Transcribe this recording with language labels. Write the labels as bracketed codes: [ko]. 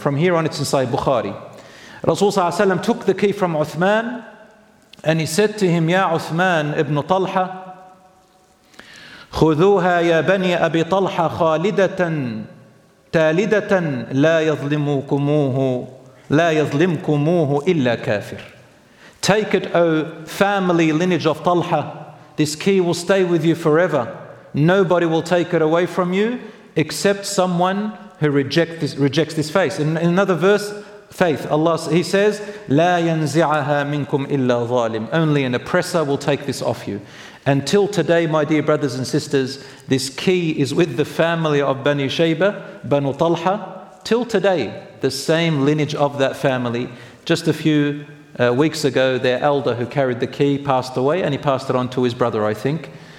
[en] From here on, it's in Sahih Bukhari. Rasul sallallahu alaihi wasallam took the key from Uthman, and he said to him, Ya Uthman ibn Talha, [ar] خذوها يا بني أبي طلحة خالدة تالدة لا يظلمكموه لا يظلمكموه إلا كافر. [en] Take it, O family lineage of Talha. This key will stay with you forever. Nobody will take it away from you except someone who rejects this faith. In another verse, faith. Allah, He says, [ar] لا ينزعها منكم إلا ظالم. [en] Only an oppressor will take this off you. Until today, my dear brothers and sisters, this key is with the family of Bani Shayba, Banu Talha. Till today, the same lineage of that family. Just a few weeks ago, their elder who carried the key passed away, and he passed it on to his brother, I think.